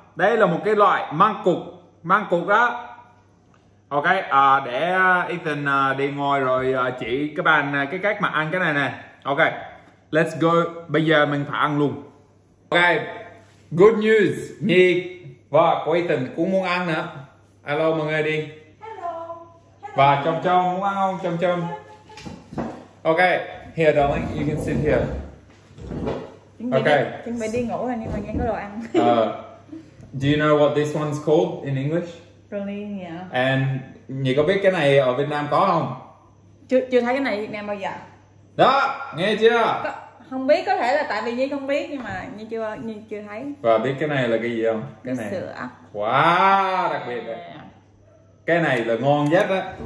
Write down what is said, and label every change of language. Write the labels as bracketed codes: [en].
[vi] Đây là một cái loại măng cục. Măng cục đó. Ok, để Ethan đi ngồi rồi chỉ các bạn cái cách mà ăn cái này nè. Ok, let's go. Bây giờ mình phải ăn luôn. Ok, good news. Nhi và của Ethan cũng muốn ăn nữa. Alo mọi người đi. Và chồng chồng muốn ăn không? Chồng chồng. [en] Ok, here darling, you can sit here. Ok. [vi] Chuẩn bị đi ngủ rồi nhưng mà nghe có đồ ăn. [en] Do you know what this one's called in English? Rolling, yeah. [vi] And Nhi có biết cái này ở Việt Nam có không? Chưa thấy cái này Việt Nam bao giờ. Đó, nghe chưa? Không biết, có thể là tại vì Nhi không biết nhưng mà Nhi chưa thấy. Và biết cái này là cái gì không? Cái này. Sữa. Quá wow, đặc biệt đấy. Cái này là ngon nhất á.